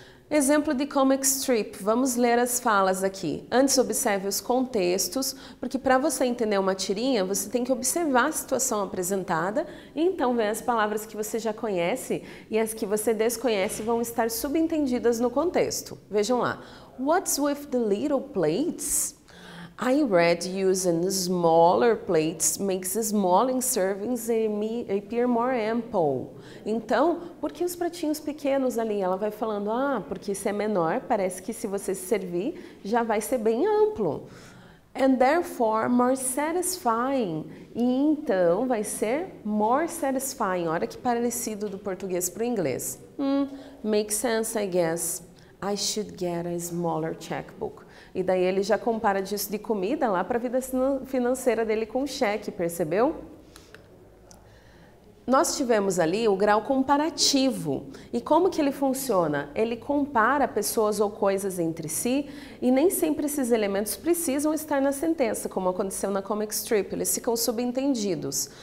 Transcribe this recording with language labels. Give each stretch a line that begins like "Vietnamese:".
Portuguese: Exemplo de comic strip, vamos ler as falas aqui. Antes, observe os contextos, porque para você entender uma tirinha, você tem que observar a situação apresentada e então ver as palavras que você já conhece e as que você desconhece vão estar subentendidas no contexto. Vejam lá.
English: What's with the little plates? I read using smaller plates makes small servings appear more ample.
Portuguese: Então, por que os pratinhos pequenos ali? Ela vai falando, ah, porque se é menor, parece que se você servir, já vai ser bem amplo.
English: And therefore more satisfying.
Portuguese: E então vai ser
English: more satisfying.
Portuguese: Olha que parecido do português para o inglês.
English: Makes sense, I guess. I should get a smaller checkbook.
Portuguese: E daí ele já compara disso de comida lá para a vida financeira dele com cheque, percebeu? Nós tivemos ali o grau comparativo. E como que ele funciona? Ele compara pessoas ou coisas entre si e nem sempre esses elementos precisam estar na sentença, como aconteceu na comic strip, eles ficam subentendidos.